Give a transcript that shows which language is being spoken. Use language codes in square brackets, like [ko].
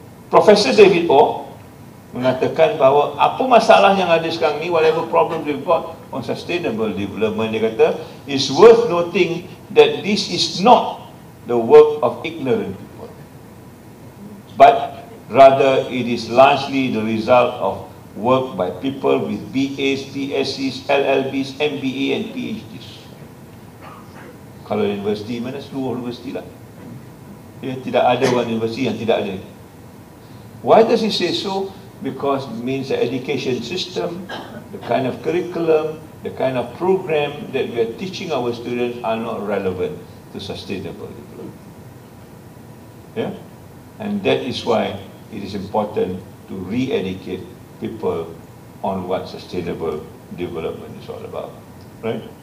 [ms] Professor David Orr mengatakan bahawa apa masalah yang ada sekarang ni, [en] whatever problems we've got on sustainable development, [ms] dia kata, [en] is worth noting that this is not the work of ignorant people, but rather it is largely the result of work by people with BAs, PhDs, LLBs, MBA and PhDs. [ms] Kalau universiti mana, seluruh universiti lah. Ya, tidak ada one universiti yang tidak ada. [en] Why does he say so? Because it means the education system, the kind of curriculum, the kind of program that we are teaching our students are not relevant to sustainable development. Yeah? And that is why it is important to re-educate people on what sustainable development is all about. Right?